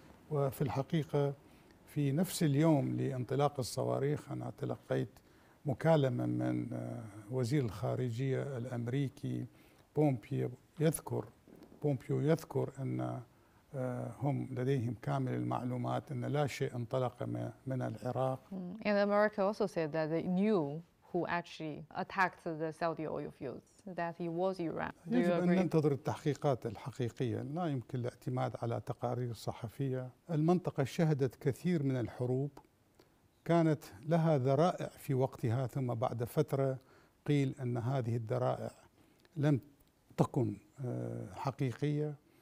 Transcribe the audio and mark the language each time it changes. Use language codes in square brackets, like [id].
[ar] وفي الحقيقة في نفس اليوم لانطلاق الصواريخ أنا تلقيت مكالمة من وزير الخارجية الأمريكي بومبيو يذكر أن هم لديهم كامل المعلومات أن لا شيء انطلق من العراق. [en] And America also said that they knew who actually attacked the Saudi oil fields, that he was Iran. Do you agree? [ar] أن ننتظر التحقيقات الحقيقية، لا يمكن الاعتماد على تقارير صحفية. المنطقة شهدت كثير من الحروب كانت لها ذرائع في وقتها، ثم بعد فترة قيل أن هذه الذرائع لم تكن حقيقية.